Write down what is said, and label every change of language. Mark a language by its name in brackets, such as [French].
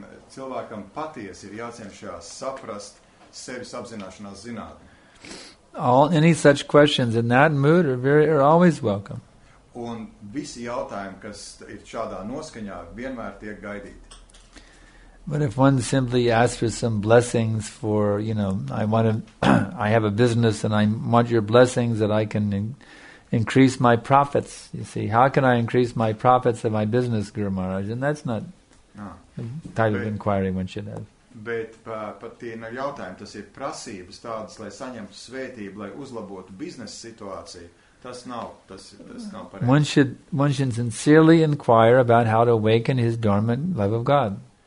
[Latvian] Cilvēkam patiesi ir jācenšas saprast sevis apzināšanās zinātni. [English] All any such questions in that mood are always welcome. [Latvian] Un visi jautājumi, kas ir šādā noskaņā, vienmēr tiek gaidīti. [English] But if one simply asks for some blessings for, you know, I have a business and I want your blessings that I can increase my profits. You see, how can I increase my profits in my business, Guru Maharaj? And that's not type of inquiry one should have. [Latvian] Bet pat tie nav jautājumi, tas ir prasības tādas, lai saņemtu svētību, lai uzlabotu biznesa situāciju. Tas nav pareizi. [English] One should sincerely inquire about how to awaken his dormant love of God.